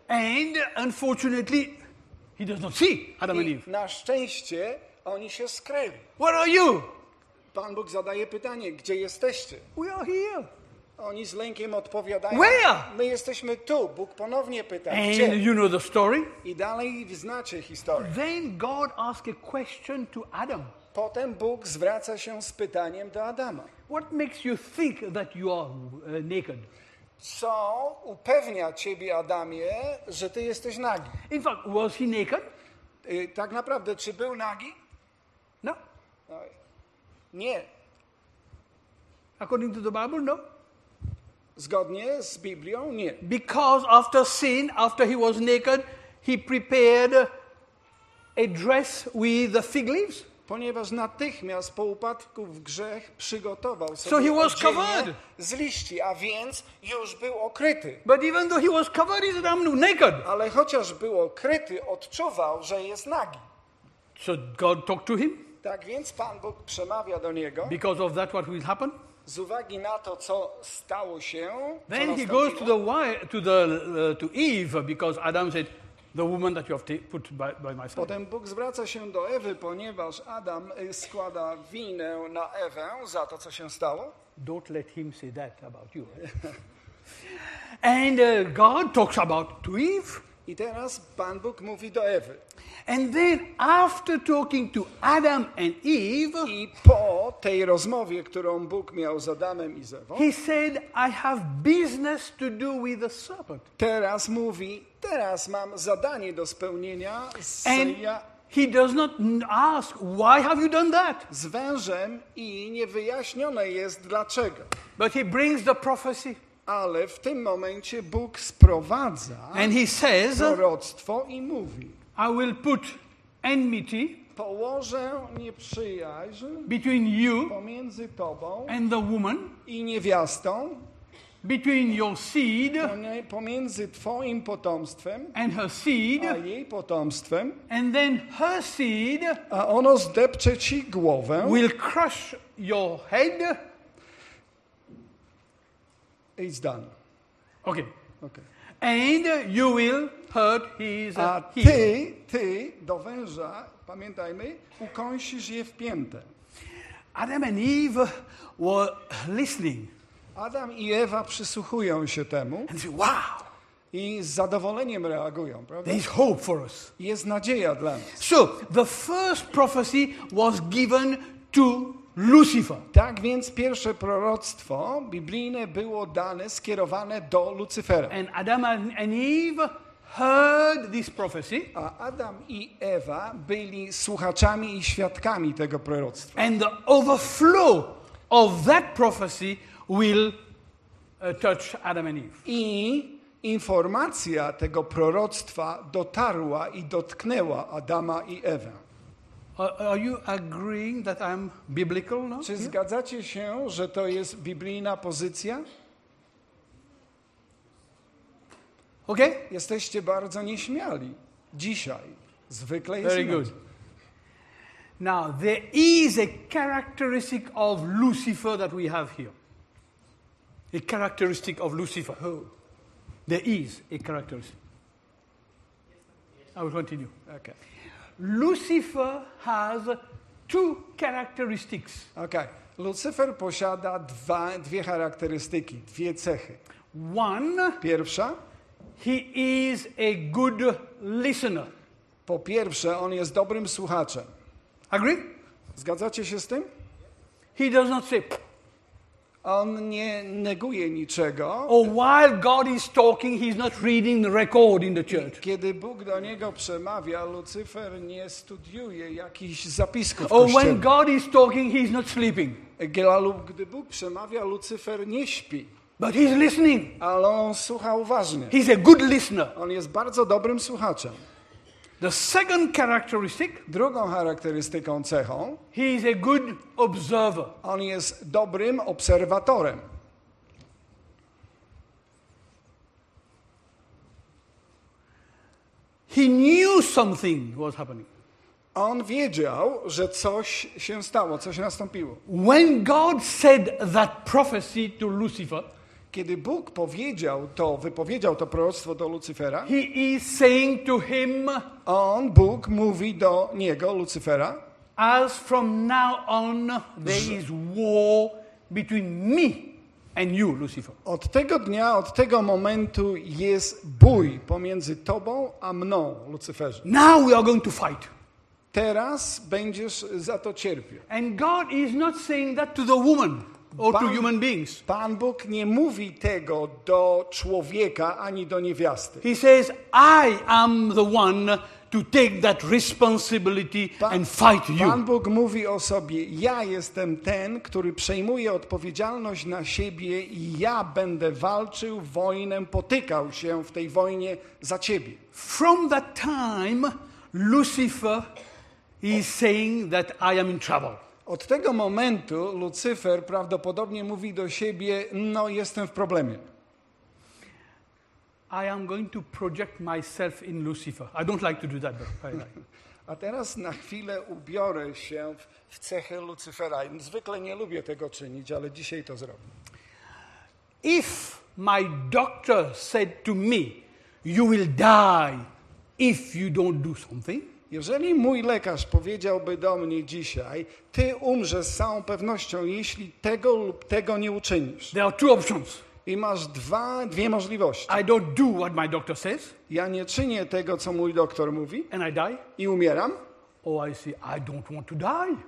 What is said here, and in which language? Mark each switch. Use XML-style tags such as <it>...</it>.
<en>And unfortunately, he does not see Adam and Eve.</en> <pl>Na szczęście oni się skryli.</pl> <en>Where are you?</en> <pl>Pan Bóg zadaje pytanie, gdzie jesteście?</pl> <en>We are here.</en> <pl>Oni z lękiem odpowiadają.</pl> <en>Where?</en> <pl>My jesteśmy tu. Bóg ponownie pyta.</pl> <en>And</en> <pl>gdzie?</pl> <en>You know the story?</en> <pl>I dalej znacie historię.</pl> <en>Then God asks a question to Adam.</en> <pl>Potem Bóg zwraca się z pytaniem do Adama.</pl> <en>What makes you think that you are naked?</en> <pl>Co upewnia ciebie, Adamie, że ty jesteś nagi?</pl> <en>In fact, was he naked?</en> <pl>Tak naprawdę, czy był nagi?</pl> <en>No.</en> <pl>Nie.</pl> <en>According to the Bible, no.</en> <pl>Zgodnie z Biblią, nie.</pl> <en>Because after sin, after he was naked, he prepared a dress with the fig leaves.</en> <pl>Ponieważ natychmiast po upadku w grzech przygotował sobie</pl> <en>so he was covered.</en> <pl>Z liści, a więc już był okryty.</pl> <en>But even though he was covered, he was naked.</en> <pl>Ale chociaż był okryty, odczuwał, że jest nagi.</pl> <en>So God talked to him?</en> <pl>Tak więc Pan Bóg przemawia do niego.</pl> <en>Because of that, what will happen?</en> <pl>Z uwagi na to, co stało się,</pl> <en>then he goes to the wife, to the to Eve, because Adam said, "The woman that you have put by my side."</en> <pl>Potem Bóg zwraca się do Ewy, ponieważ Adam składa winę na Ewę za to, co się stało.</pl> <en>Don't let him say that about you. And God talks about to Eve.</en> <pl>I teraz Pan Bóg mówi do Ewy.</pl> <en>And then after talking to Adam and Eve,</en> <pl>i po tej rozmowie, którą Bóg miał z Adamem i z Ewą,</pl> <en>he said, "I have business to do with the serpent."</en> <pl>Teraz mówi, teraz mam zadanie do spełnienia z</pl> <en>He does not ask, "Why have you done that?"</en> <pl>Z wężem i niewyjaśnione jest dlaczego.</pl> <en>But he brings the prophecy.</en> <pl>Ale w tym momencie Bóg sprowadza</pl> <en>and he says,</en> <pl>proroctwo i mówi:</pl> <en>"I will put enmity</en> <pl>położę nieprzyjaźń</pl> <en>between you</en> <pl>pomiędzy tobą</pl> <en>and the woman</en> <pl>i niewiastą</pl> <en>between your seed</en> <pl>pomiędzy twoim potomstwem</pl> <en>and her seed</en> <pl>a jej potomstwem</pl> <en>and then her seed</en> <pl>a ono zdepcze ci głowę</pl> <en>will crush your head." It's done. Okay. Okay. And you will hurt his heel.</en> <pl>Ty do węża, pamiętajmy, ukąsisz je w piętę.</pl> <en>Adam and Eve were listening.</en> <pl>Adam i Ewa przysłuchują się temu.</pl> <en>And say, wow.</en> <pl>I z zadowoleniem reagują, prawda?</pl> <en>There is hope for us.</en> <pl>Jest nadzieja dla nas.</pl> <en>So the first prophecy was given to Lucifer.</en> <pl>Tak więc pierwsze proroctwo biblijne było dane, skierowane do Lucyfera.</pl> <en>And Adam and Eve heard this prophecy.</en> <pl>A Adam i Ewa byli słuchaczami i świadkami tego proroctwa.</pl> <en>And the overflow of that prophecy will touch Adam and Eve.</en> <pl>I informacja tego proroctwa dotarła i dotknęła Adama i Ewę.</pl> <en>Are you agreeing that I'm biblical? No?</en> <pl>Czy zgadzacie się, że to jest biblijna pozycja?</pl> <en>Okay.</en> <pl>Jesteście bardzo nieśmiali. Dzisiaj. Zwykle</pl> <en>jest. Very good. Now, there is a characteristic of Lucifer that we have here. A characteristic of Lucifer. Who? There is a characteristic. I will continue. Okay. Lucifer has two characteristics. Okay.</en> <pl>Lucifer posiada dwie charakterystyki, dwie cechy.</pl> <en>One.</en> <pl>Pierwsza.</pl> <en>He is a good listener.</en> <pl>Po pierwsze, on jest dobrym słuchaczem.</pl> <en>Agree?</en> <pl>Zgadzacie się z tym?</pl> <en>He does not say.</en> <pl>On nie neguje niczego.</pl> <en>Or while God is talking, he's not reading the record in the church.</en> <pl>Kiedy Bóg do niego przemawia, Lucifer nie studiuje jakichś zapisków.</pl> <en>Or when God is talking, he's not sleeping.</en> <pl>Gdy Bóg przemawia, Lucifer nie śpi.</pl> <en>But he's listening.</en> <pl>Ale on słucha uważnie.</pl> <en>He's a good listener.</en> <pl>On jest bardzo dobrym słuchaczem.</pl> <en>The second characteristic,</en> <pl>drugą charakterystyką, cechą,</pl> <en>he is a good observer.</en> <pl>On jest dobrym obserwatorem.</pl> <en>He knew something was happening.</en> <pl>On wiedział, że coś się stało, coś nastąpiło.</pl> <en>When God said that prophecy to Lucifer,</en> <pl>kiedy Bóg powiedział to, wypowiedział to proroctwo do Lucyfera,</pl> <en>he is saying to him,</en> <pl>on, Bóg, mówi do niego, Lucyfera,</pl> <en>as from now on there is war between me and you, Lucifer.</en> <pl>Od tego dnia, od tego momentu jest bój pomiędzy tobą a mną, Lucyferze.</pl> <en>Now we are going to fight.</en> <pl>Teraz będziesz za to cierpiał.</pl> <en>And God is not saying that to the woman. Or to human beings.</en> <pl>Pan Bóg nie mówi tego do człowieka ani do niewiasty.</pl> <en>He says, "I am the one to take that responsibility and fight you."</en> <pl>Pan Bóg mówi o sobie: ja jestem ten, który przejmuje odpowiedzialność na siebie i ja będę walczył wojnę, potykał się w tej wojnie za ciebie.</pl> <en>From that time, Lucifer is saying that I am in trouble.</en> <pl>Od tego momentu Lucyfer prawdopodobnie mówi do siebie: no, jestem w problemie.</pl> <en>I am going to project myself in Lucifer. I don't like to do that, but I like.</en> <pl>A teraz na chwilę ubiorę się w cechy Lucyfera. Zwykle nie lubię tego czynić, ale dzisiaj to zrobię.</pl> <en>If my doctor said to me, you will die if you don't do something.</en> <pl>Jeżeli mój lekarz powiedziałby do mnie dzisiaj, ty umrzesz z całą pewnością, jeśli tego lub tego nie uczynisz.</pl> <en>There are two options.</en> <pl>I masz dwie możliwości.</pl> <en>I don't do what my doctor says.</en> <pl>Ja nie czynię tego, co mój doktor mówi.</pl> <en>And I die.</en> <pl>I umieram.</pl> <en>Or I say, I don't want to die.</en>